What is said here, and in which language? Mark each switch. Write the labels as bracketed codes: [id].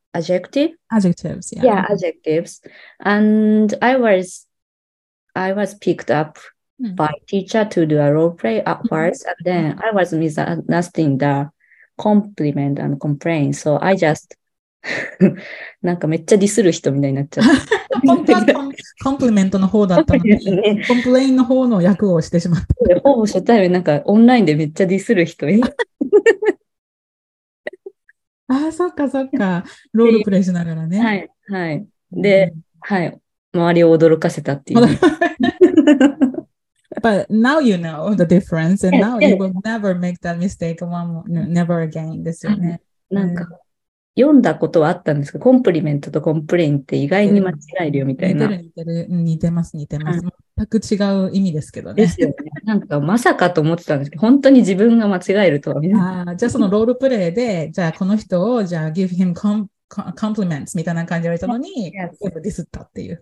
[en] Yeah. Yeah, adjectives. And I was picked up by teacher to do a role play at first, and then I was misunderstanding the compliment and complain. So I just [ja] なんかめっちゃディスる人みたいになっちゃった本当はコンプリメントの方だったのに、ね、コンプレインの方の役をしてしまったほぼ初対面なんかオンラインでめっちゃディスる人あーそっかそっかロールプレイしながらねはいはいで、うん、はい周りを驚かせたっていう [en] But now you know the difference and now you will never make that mistake one never again [ja] ですよねなんか読んだことはあったんですけど、コンプリメントとコンプレインって意外に間違えるよみたいな。似てます。全く違う意味ですけどね。ですよね。なんかまさかと思ってたんですけど、本当に自分が間違えるとは。じゃあそのロールプレイで、じゃあこの人を、じゃあ [en] give him compliments [ja] みたいな感じで言ったのに、全部ディスったっていう